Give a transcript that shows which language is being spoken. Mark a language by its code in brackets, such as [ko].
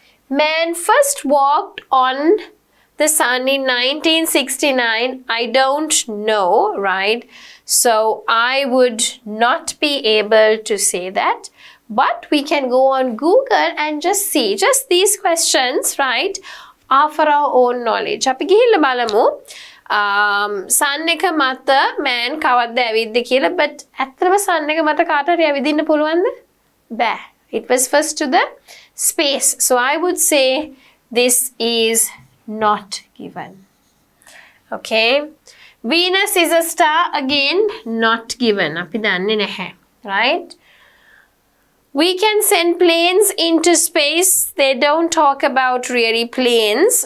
[en] Man first walked on the sun in 1969. I don't know, right? So I would not be able to say that. But we can go on Google and just see. Just these questions, right, offer our own knowledge. [si] අපි ගිහිල්ලා බලමු. Sun එක මත man කවද්ද ඇවිද්ද කියලා. But ඇත්තටම sun එක මත කාට හරි ඇවිදින්න පුළුවන්ද? බෑ. [en] It was first to the space. So I would say this is not given. Okay. Venus is a star. Again, not given. [si] අපි දන්නේ නැහැ. [en] Right? We can send planes into space. They don't talk about really planes.